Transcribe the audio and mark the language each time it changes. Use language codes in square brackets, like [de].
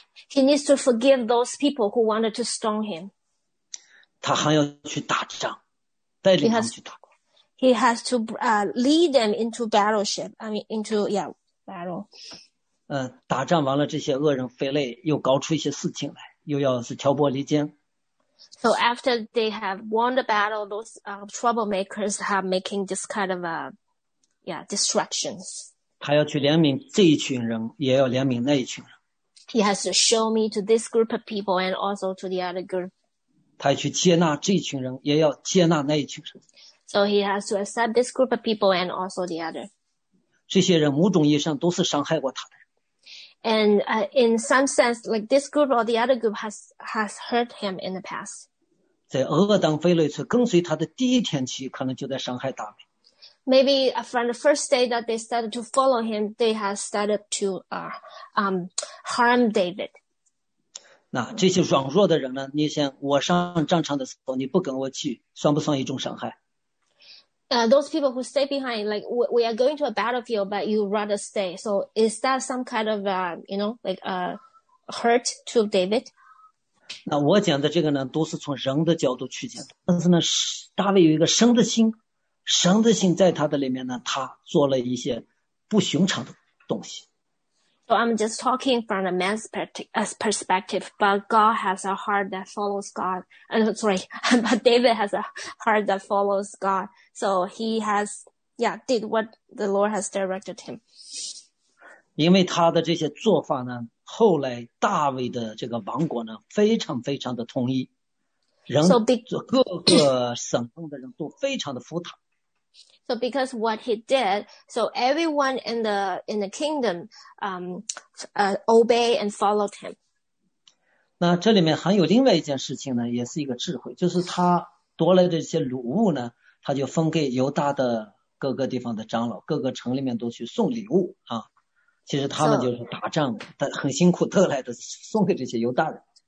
[en] He needs to forgive those people who wanted to stone him. [zh] 他还要去打仗，带领他们去打。 [en] He has to lead them into battleship. I mean, into battle. [zh] 打仗完了，这些恶人非类又搞出一些事情来，又要是挑拨离间。 [en] So after they have won the battle, those troublemakers are making this kind of distractions. [zh] 他要去怜悯这一群人，也要怜悯那一群人。 [en] He has to show me to this group of people and also to the other group. [zh] 他去接纳这群人，也要接纳那一群人。 [en] So he has to accept this group of people and also the other. [zh] 这些人某种意义上都是伤害过他的。 [en] And in some sense, like this group or the other group has hurt him in the past. [zh] 在恶当非类去跟随他的第一天起，可能就在伤害大卫。 [en] Maybe from the first day that they started to follow him, they have started to harm David. [zh] 那这些软弱的人呢，你想我上战场的时候你不跟我去，算不算一种伤害？ [en] Those people who stay behind, like we are going to a battlefield, but you rather stay. So is that some kind of, you know, like a hurt to David? [zh] 那我讲的这个呢，都是从人的角度去讲的。但是呢，大卫有一个神的心，神的心在他的里面呢，他做了一些不寻常的东西。 [en] So I'm just talking from a man's perspective, but God has a heart that follows God. But David has a heart that follows God. So he has, yeah, did what the Lord has directed him. [zh] 因为他的这些做法呢，后来大卫的这个王国呢，非常非常的统一，人各个省份的人都非常的服他。 [en] So because what he did, so everyone in the kingdom, obey and followed him. [zh] 那这里面还有另外一件事情呢，也是一个智慧，就是他夺来的这些礼物呢，他就分给犹大的各个地方的长老，各个城里面都去送礼物啊。其实他们就是打仗的，很辛苦得来的，送给这些犹大人。